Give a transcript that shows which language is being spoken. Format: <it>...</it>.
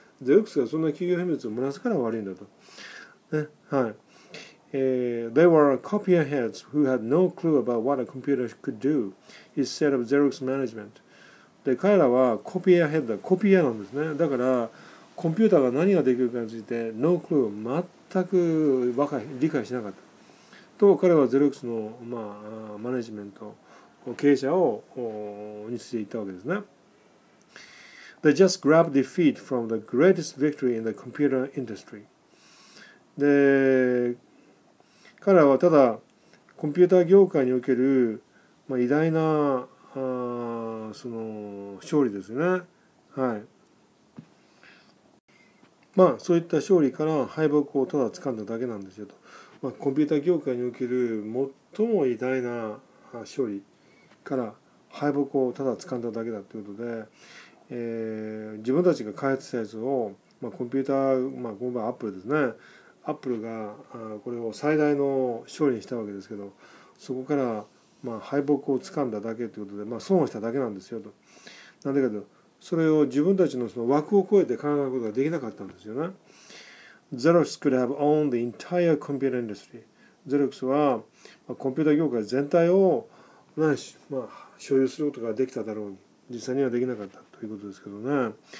<ja>ゼロックスがそんな企業秘密を漏らすから悪いんだと、ね、はい。</ja> <en>They were copy heads who had no clue about what a computer could do, he said of Xerox management。</en> <ja>で、彼らはコピーヘッド、コピー屋なんですね。だからコンピューターが何ができるかについて</ja> <en>No clue、</en> <ja>全く理解しなかったと、彼はゼロックスの、まあ、マネジメント経営者をについていったわけですね。</ja> <en>They just grabbed defeat from the greatest victory in the computer industry。</en> <ja>で、彼らはただコンピューター業界における、まあ、偉大なその勝利ですね、はい。まあ、そういった勝利から敗北をただ掴んだだけなんですよと。まあ、コンピューター業界における最も偉大な勝利から敗北をただ掴んだだけだということで、自分たちが開発したやつを、まあ、コンピューター、まあ、この場合アップルですね、アップルがこれを最大の勝利にしたわけですけど、そこから、まあ、敗北を掴んだだけということで、まあ、損をしただけなんですよと。なんでかというと、それを自分たちの、その枠を超えて考えることができなかったんですよね。</ja> <en>Xerox could have owned the entire computer industry。</en> <ja>Xerox は、まあ、コンピューター業界全体を、まあ、所有することができただろうに、実際にはできなかったということですけどね。</ja>